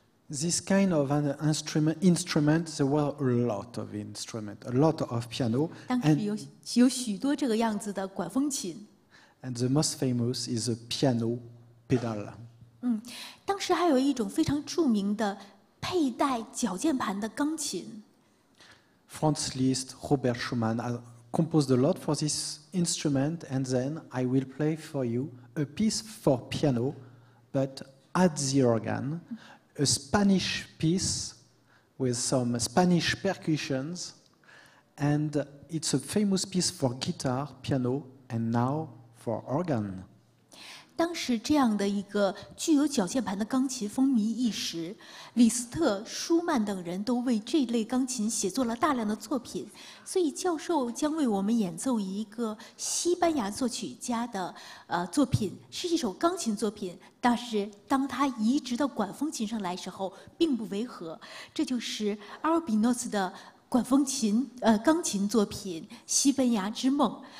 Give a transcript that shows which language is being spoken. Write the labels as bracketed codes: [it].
[en] This kind of an instrument, there were a lot of instruments, a lot of piano. [zh] 当时有许多这个样子的管风琴。 [en] And the most famous is a piano pedal. [zh] 当时还有一种非常著名的佩戴脚键盘的钢琴。 [en] Franz Liszt, Robert Schumann composed a lot for this instrument, and then I will play for you a piece for piano, but at the organ, a Spanish piece with some Spanish percussions, and it's a famous piece for guitar, piano, and now. For organ. [zh] 当时这样的一个具有脚键盘的钢琴风靡一时，李斯特、舒曼等人都为这类钢琴写作了大量的作品，所以教授将为我们演奏一个西班牙作曲家的作品，是一首钢琴作品，但是当他移植到管风琴上来时候并不违和，这就是阿尔比诺斯的管风琴钢琴作品《西班牙之梦》。